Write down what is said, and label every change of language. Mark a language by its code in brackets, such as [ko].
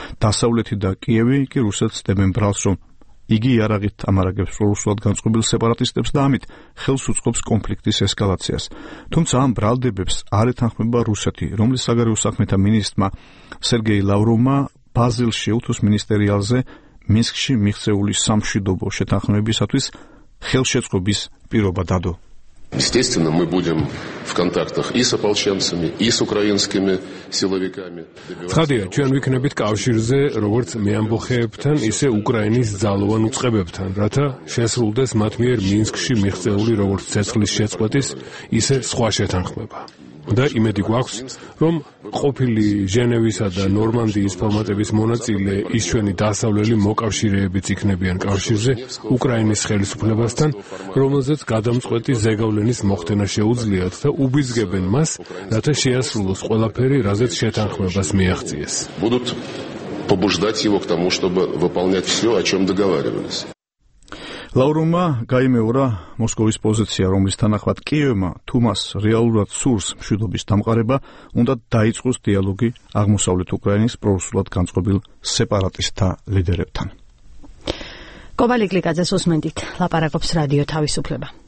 [ka] დასავლეთი და კიევი კი რუსეთს დებენ ბრალს, რომ იგი იარაღით ამარაგებს პრორუსულად განწყობილ სეპარატისტებს და ამით ხელს უწყობს კონფლიქტის ესკალაციას. თუმცა ამ ბრალდებებს არ ეთანხმება რუსეთი, რომლის საგარეო საქმეთა მინისტრმა სერგეი ლავროვმა ბაზელ შეუთოს მინისტერიალზე მინსკში მიღწეული სამშვიდობო შეთანხმებისათვის ხელშეწყობის პირობა დადო. [ru] Естественно, мы будем в контактах и с ополченцами, и с украинскими силовиками. [ka] Ხადია, ჩვენ ვიქნებით კავშირზე, როგორც მეამბოხეებთან, ისე უკრაინის ძალოვან უწყებებთან, რათა შესრულდეს მათ მიერ მინსკში მიღწეული როგორც ცეცხლის შეწყვეტის, ისე სხვა შეთანხმება. და იმედი გვაქვს, რომ ყოფილი ჟენევისა და ნორმანდიის ფორმატების მონაწილე ის ჩვენი დასავლელი მოკავშირეებიც იქნებიან კავშირზე უკრაინის ხელისუფლებასთან, რომელზეც გადამწყვეტი ზეგავლენის მოხდენა შეუძლიათ და უბიძგებენ მას, რათა შეასრულოს ყველაფერი, რაზეც შეთანხმებას მიაღწიეს. [ru] Будут побуждать его к тому, чтобы выполнять всё, о чём договаривались. [ka] ლავროვმა გაიმეორა მოსკოვის პოზიცია, რომლის თანახმად კიევმა, თუ მას რეალურად სურს მშვიდობის დამყარება, უნდა დაიწყოს დიალოგი აღმოსავლეთ უკრაინის პრორუსულად განწყობილ სეპარატისტთა ლიდერებთან. კობალი გლიკაძე სუსმენდით ლაპარაკობს რადიო თავისუფლება.